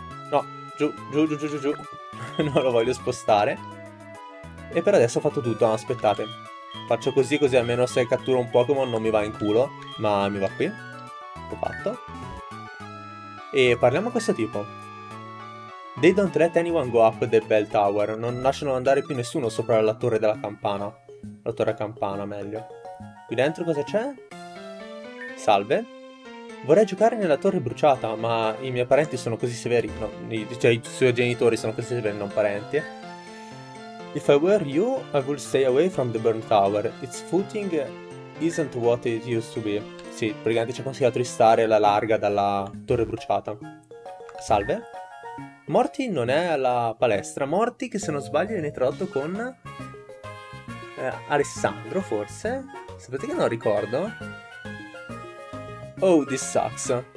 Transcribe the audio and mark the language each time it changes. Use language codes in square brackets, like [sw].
[it] No, giù, giù, giù, giù, giù. Non lo voglio spostare. E per adesso ho fatto tutto. No, aspettate. Faccio così, così almeno se catturo un Pokémon non mi va in culo. Ma mi va qui. L'ho fatto. E parliamo a questo tipo. [en] They don't let anyone go up the bell tower. [it] Non lasciano andare più nessuno sopra la torre della campana. La torre campana, meglio. Qui dentro cosa c'è? Salve. Vorrei giocare nella torre bruciata, ma i miei parenti sono così severi. No, cioè i suoi genitori sono così severi, non parenti. [en] If I were you, I would stay away from the burnt tower. Its footing isn't what it used to be. [it] Sì, praticamente ci ha consigliato di stare alla larga dalla torre bruciata. Salve. Morty non è alla palestra. Morty, che se non sbaglio, viene tradotto con Alessandro, forse? Sapete che non ricordo? [en] Oh, this sucks.